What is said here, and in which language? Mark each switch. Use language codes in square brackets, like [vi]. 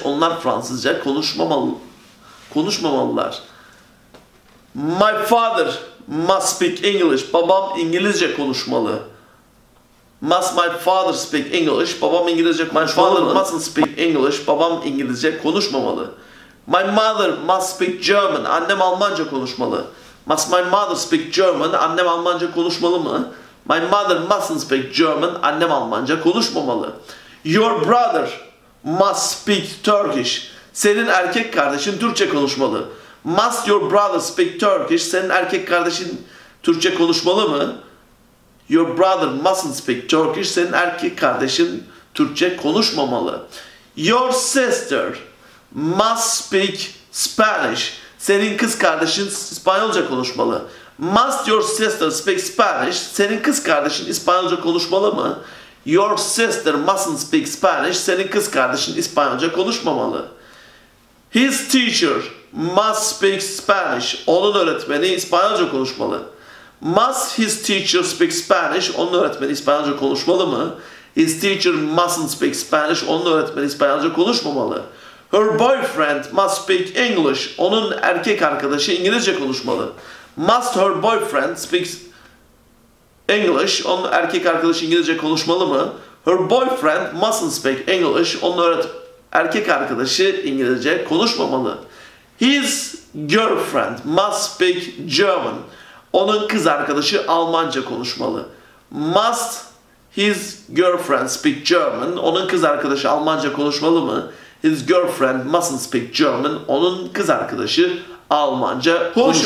[tr] Onlar Fransızca konuşmamalılar. [en] My father must speak English. [tr] Babam İngilizce konuşmalı. [en] Must my father speak English? [tr] Babam İngilizce konuşmalı. [en] My father mustn't speak English. [tr] Babam İngilizce konuşmamalı. [en] My mother must speak German. [tr] Annem Almanca konuşmalı. [en] Must my mother speak German? [tr] Annem Almanca konuşmalı mı? [en] My mother mustn't speak German. [tr] Annem Almanca konuşmamalı. [en] Your brother must speak Turkish. [tr] Senin erkek kardeşin Türkçe konuşmalı. [en] Must your brother speak Turkish? [tr] Senin erkek kardeşin Türkçe konuşmalı mı? [en] Your brother mustn't speak Turkish. [tr] Senin erkek kardeşin Türkçe konuşmamalı. [en] Your sister must speak Spanish. [tr] Senin kız kardeşin İspanyolca konuşmalı. [en] Must your sister speak Spanish? [tr] Senin kız kardeşin İspanyolca konuşmalı mı? [en] Your sister mustn't speak Spanish. [tr] Senin kız kardeşin İspanyolca konuşmamalı. [en] His teacher must speak Spanish. [tr] Onun öğretmeni İspanyolca konuşmalı. [en] Must his teacher speak Spanish? [tr] Onun öğretmeni İspanyolca konuşmalı mı? [en] His teacher mustn't speak Spanish. [tr] Onun öğretmeni İspanyolca konuşmamalı. [en] Her boyfriend must speak English. [tr] Onun erkek arkadaşı İngilizce konuşmalı. [en] Must her boyfriend speak English? [tr] Onun erkek arkadaşı İngilizce konuşmalı mı? [en] Her boyfriend mustn't speak English. [tr] Onun erkek arkadaşı İngilizce konuşmamalı. [en] His girlfriend must speak German. [tr] Onun kız arkadaşı Almanca konuşmalı. [en] Must his girlfriend speak German? [tr] Onun kız arkadaşı Almanca konuşmalı mı? [en] His girlfriend mustn't speak German. [tr] Onun kız arkadaşı Almanca konuşmalı.